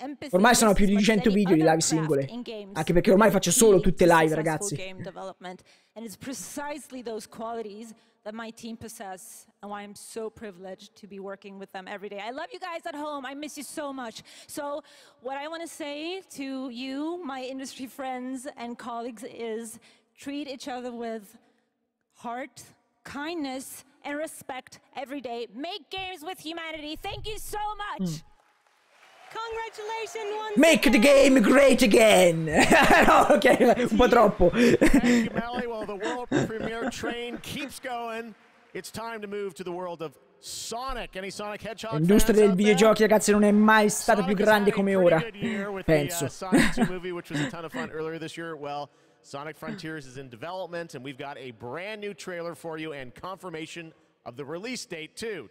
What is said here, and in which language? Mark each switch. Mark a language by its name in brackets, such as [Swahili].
[Italian] Ormai sono più di 100 video di live singole. Anche perché ormai faccio solo tutte live, ragazzi. [English] And it's precisely those qualities that my team possess and why I'm so privileged to be working with them every day. I love you guys at home. I miss you so much. So what I want to say to you, my industry friends and colleagues, is treat each other with heart, kindness and respect every day. Make games with humanity. Thank you so much. Congratulations once Make again. The game great again. No, okay, [Italian] un po' troppo. [English] Thank you, Mally. Well, the world premiere train keeps going. It's time to move to the world of Sonic. Any Sonic Hedgehog fans? [Italian] L'industria del videogiochi, [English] there? [Italian] Ragazzi, non è mai stata Sonic più grande come ora. Penso. [English] Sonic 2 movie, which was a ton of fun earlier this year. Well, Sonic Frontiers is in development, and we've got a brand new trailer for you and confirmation of the release date too.